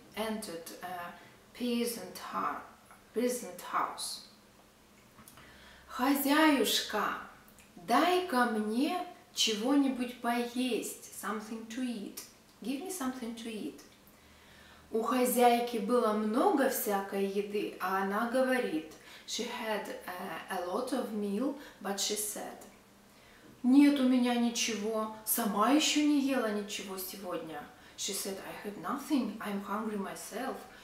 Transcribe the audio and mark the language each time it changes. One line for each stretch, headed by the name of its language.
English: entered a peasant house.
Russian: Хозяюшка, дай-ка мне чего-нибудь поесть,
English: something to eat. Give me something to eat.
Russian: У хозяйки было много всякой еды, а она говорит.
English: She had a lot of meal, but she said.
Russian: Нет у меня ничего, сама еще не ела ничего сегодня.
English: She said, I had nothing, I'm hungry myself.